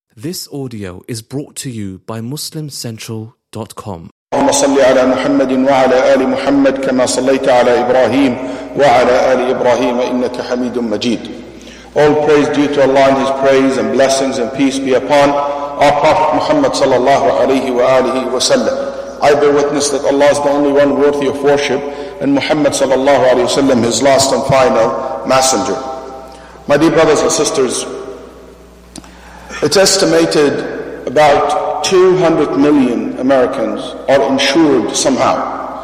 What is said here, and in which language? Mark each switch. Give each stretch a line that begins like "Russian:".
English: This audio is brought to you by MuslimCentral.com.
Arabic: اللهم صل على محمد وعلى آل محمد كما صليت على إبراهيم وعلى آل إبراهيم إنك حميد مجيد.
English: All praise due to Allah and His praise and blessings and peace be upon our Prophet Muhammad صلى الله عليه وآله وسلم. I bear witness that Allah is the only one worthy of worship and Muhammad صلى الله عليه وسلم His last and final messenger. My dear brothers and sisters, it's estimated about 200 million Americans are insured somehow.